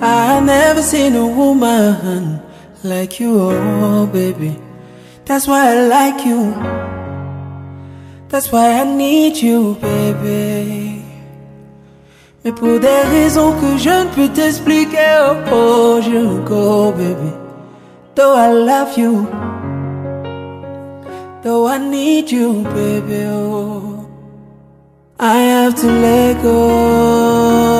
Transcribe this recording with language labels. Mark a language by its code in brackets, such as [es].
[en] I never seen a woman like you, oh baby. That's why I like you. That's why I need you, baby. [fr] Mais pour des raisons que je ne peux t'expliquer, oh, je [en] go, baby. Though I love you, though I need you, baby, oh, I have to let go.